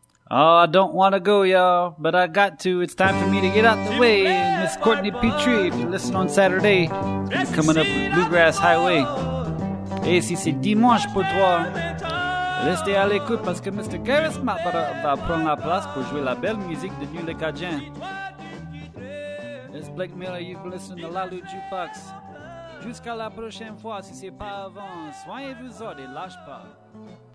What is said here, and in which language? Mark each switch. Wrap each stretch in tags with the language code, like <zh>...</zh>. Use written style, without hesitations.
<en>Oh, I don't want to go, y'all, but I got to. It's time for me to get out the way. Miss Courtney Petrie, if you listen on Saturday, I'm coming up Bluegrass Highway.</en> <fr>Et si c'est dimanche pour toi, restez à l'écoute parce que Mr. Garris Mapara va prendre la place pour jouer la belle musique de Nuit Les Cajuns.</fr> <en>It's Blake Miller, you can listen to Lalu Jukebox.</en> <fr>Jusqu'à la prochaine fois, si c'est pas avant, soignez-vous et lâche pas.</fr>